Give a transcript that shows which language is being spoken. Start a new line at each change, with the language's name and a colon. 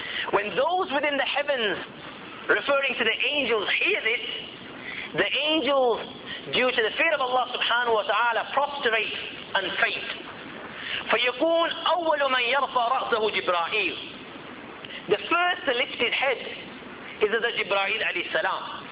English: When those within the heavens, referring to the angels, hear this, the angels, due to the fear of Allah subhanahu wa ta'ala, prostrate and faint.
Arabic: فيكون أول من يرفع رأسه جبرائيل.
English: The first lifted head is the Jibra'il عليه السلام.